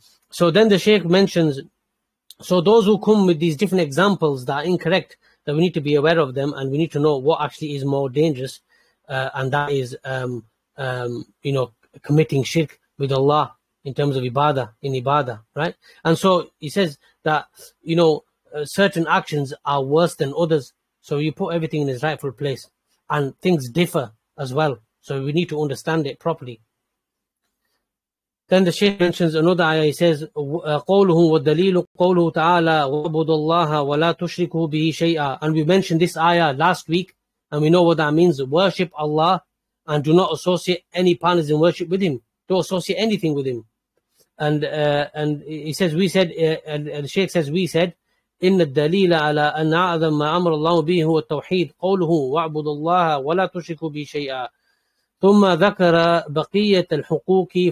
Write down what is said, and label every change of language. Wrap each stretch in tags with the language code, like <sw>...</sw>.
<en>So then the Shaykh mentions, so those who come with these different examples that are incorrect, that we need to be aware of them, and we need to know what actually is more dangerous, and that is, you know, committing shirk with Allah in terms of ibadah, in ibadah, right? And so he says that, you know, certain actions are worse than others. So you put everything in its rightful place, and things differ as well. So we need to understand it properly. Then the Shaykh mentions another ayah. He says,</en> <ar>قوله والدليل قوله تعالى وعبد الله ولا تشركوا به شيئا.</ar> <en>And we mentioned this ayah last week, and we know what that means. Worship Allah and do not associate any partners in worship with Him. Don't associate anything with Him. And he says, we said,</en> <ar>and the Shaykh says, we said, إن الدليل على أن أعظم ما أمر الله به هو التوحيد قوله واعبد الله ولا تشرك به شيئا ثم ذكر بقية الحقوق</ar>